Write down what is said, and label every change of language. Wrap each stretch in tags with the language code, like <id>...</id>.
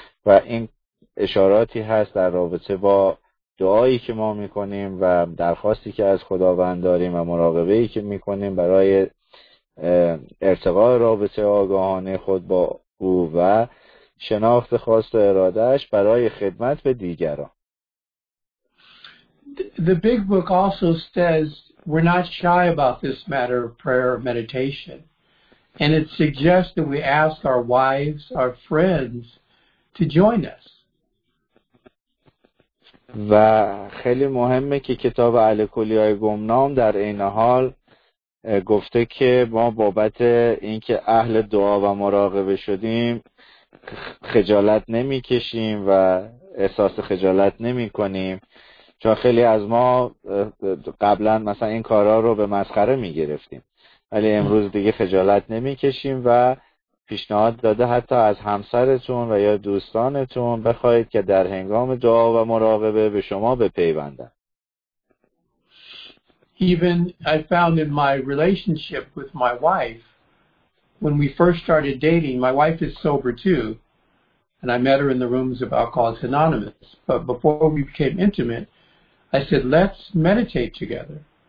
<fa>و این اشاراتی هست در رابطه با دعایی که ما میکنیم و درخواستی که از خداوند داریم و مراقبه‌ای که میکنیم برای ارتقاء رابطه آگاهانه خود با او و شناخت خواست و ارادهش برای خدمت به دیگران.</fa> <en>The big book also says we're not shy about this matter of prayer or meditation. And it suggests that we ask our wives, our friends to join us.</en> <fa>و خیلی مهمه که کتاب اهل کلیه گمنام در این حال گفته که ما بابت اینکه اهل دعا و مراقبه شدیم خجالت نمی کشیم و احساس خجالت نمی کنیم، چون خیلی از ما قبلا مثلا این کارا رو به مسخره می گرفتیم، ولی امروز دیگه خجالت نمی کشیم و پیشنهاد داده حتی از همسرتون و یا دوستانتون بخواید که در هنگام دعا و مراقبه به شما بپیوندن.</fa> <en>Even I found in my relationship with my wife, when we first started dating, my wife is sober too, and I met her in the rooms of Alcoholics Anonymous. But before we became intimate, I said, let's meditate together.</en>